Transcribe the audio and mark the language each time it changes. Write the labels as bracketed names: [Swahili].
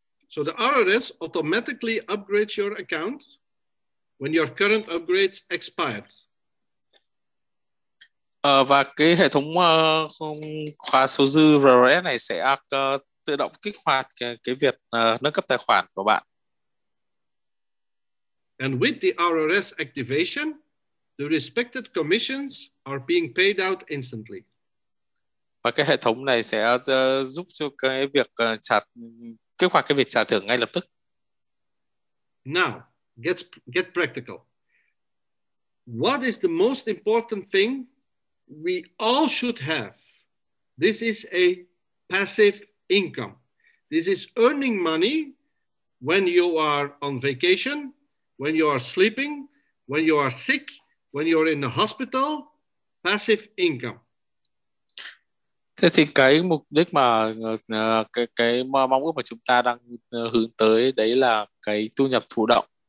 [English] So the RRS automatically upgrades your account when your current upgrades expired. [Vietnamese] Và cái hệ thống khóa số dư RRS này sẽ tự động kích hoạt cái việc nâng cấp tài khoản của bạn. [English] And with the RRS activation, the respective commissions are being paid out instantly. [Vietnamese] Và cái hệ thống này sẽ giúp cho cái việc kích hoạt cái việc trả thưởng ngay lập tức. [English] Now, get practical. What is the most important thing we all should have? This is a passive income. This is earning money when you are on vacation, when you are sleeping, when you are sick, when you are in the hospital. Passive income. [Vietnamese] Thế thì cái mục đích mà cái mong ước mà chúng ta đang hướng tới đấy là cái thu nhập thụ động.